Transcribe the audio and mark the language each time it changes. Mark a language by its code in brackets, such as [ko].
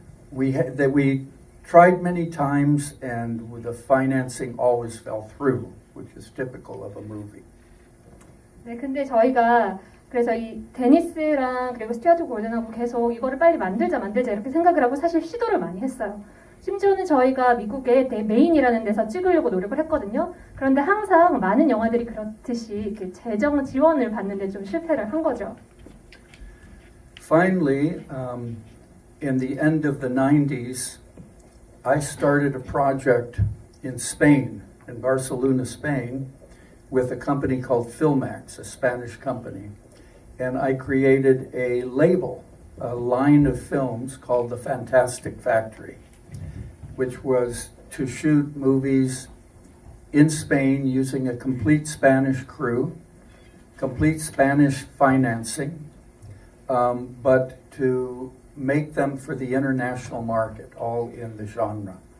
[en] We tried many times, and the financing always fell through, which is typical of a movie. [ko] 네, 근데 저희가 그래서 이 데니스랑 그리고 스튜어트 골든하고 계속 이거를 빨리 만들자 이렇게 생각을 하고 사실 시도를 많이 했어요. 심지어는 저희가 미국의 메인이라는 데서 찍으려고 노력을 했거든요. 그런데 항상 많은 영화들이 그렇듯이 이렇게 재정 지원을 받는 데 좀 실패를 한 거죠. [en] Finally, in the end of the 90s, I started a project in Spain, in Barcelona, Spain, with a company called Filmax, a Spanish company. And I created a label, a line of films called The Fantastic Factory, which was to shoot movies in Spain using a complete Spanish crew, complete Spanish financing, but to make them for the international market, all in the genre.